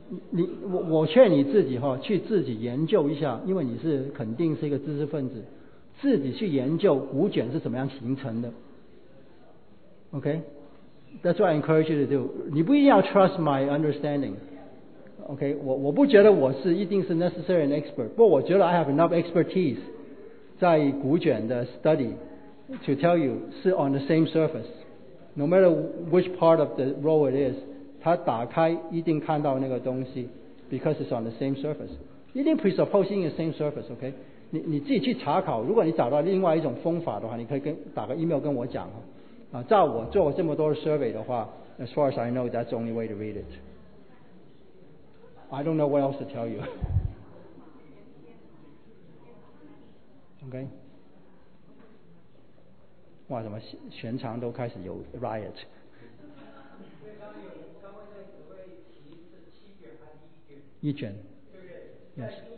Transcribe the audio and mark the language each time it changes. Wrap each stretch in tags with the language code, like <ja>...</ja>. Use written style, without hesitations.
<zh>你我劝你自己哈，去自己研究一下，因为你是肯定是一个知识分子，自己去研究古卷是怎么样形成的。</zh> <en>OK， that's what I encourage you to do。</en> <zh>你不一定要</zh> <en>trust my understanding。</en> <zh>OK， 我不觉得我是一定是</zh> <en>necessary an expert，</en> <zh>不过我觉得</zh> <en>I have enough expertise。</en> <zh>在古卷的</zh> <en>study to tell you 是 on the same surface no matter which part of the row it is</en> <zh>它打开一定看到那个东西</zh> <en>because it's on the same surface 一定 presupposing the same surface OK</en> <zh>你自己去查考，如果你找到另外一种方法的话，你可以打个 email 跟我讲啊。照我做这么多的 survey 的话，</zh> <en>as far as I know that's the only way to read it。 I don't know what else to tell you。</en> <zh>OK， 哇，怎么全场都开始有 riot？一卷。</zh> <en>Yes。</en>